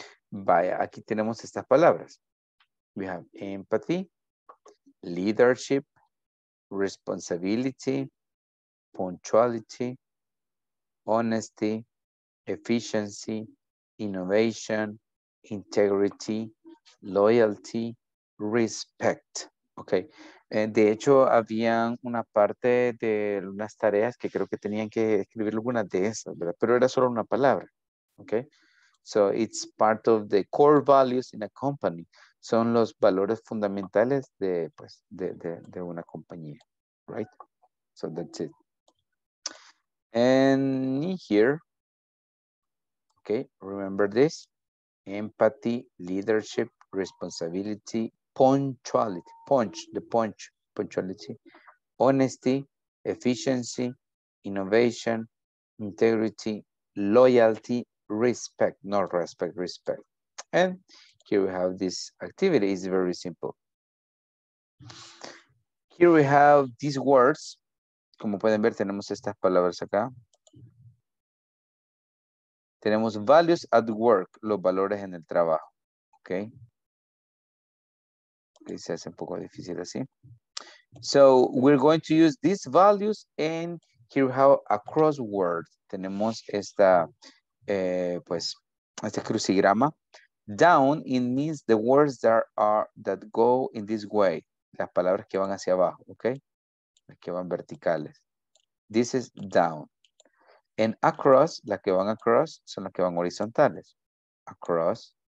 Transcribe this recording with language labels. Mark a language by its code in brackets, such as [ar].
[es] Vaya, aquí tenemos estas palabras. [en] We have empathy, leadership, responsibility, punctuality, honesty, efficiency, innovation, integrity, loyalty, respect. Okay. [es] De hecho, habían una parte de unas tareas que creo que tenían que escribir algunas de esas, ¿verdad? Pero era solo una palabra. Okay. [en] So it's part of the core values in a company. [es] Son los valores fundamentales de una compañía. [en] Right? So that's it. And here, okay, remember this. Empathy, leadership, responsibility, punctuality. Punctuality. Honesty, efficiency, innovation, integrity, loyalty, respect, not respect, respect. And here we have this activity. It's very simple. Here we have these words. [es] Como pueden ver, tenemos estas palabras acá. Tenemos [en] values at work, [es] los valores en el trabajo. [en] Okay. [es] Okay, se hace un poco difícil así. [en] So we're going to use these values and here we have a crossword. [es] Tenemos esta... pues este crucigrama [en] down, it means the words that go in this way, [es] las palabras que van hacia abajo, okay, las que van verticales, [en] this is down, and across, [es] las que van across son las que van horizontales, across.